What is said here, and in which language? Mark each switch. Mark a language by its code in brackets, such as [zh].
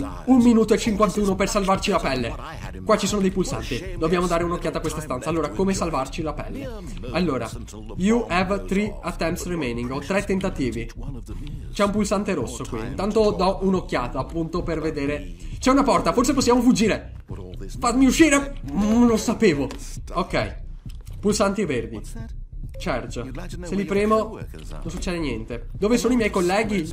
[it] 1:51 per salvarci la pelle. Qua ci sono dei pulsanti. Dobbiamo dare un'occhiata a questa stanza. Allora, come salvarci la pelle? [en] Allora, you have 3 attempts remaining. [it] Ho 3 tentativi. C'è un pulsante rosso qui. Intanto do un'occhiata, appunto, per vedere. C'è una porta, forse possiamo fuggire. Fammi uscire. Lo sapevo. Ok. Pulsanti verdi. Charge. Se li premo non succede niente. Dove sono i miei colleghi?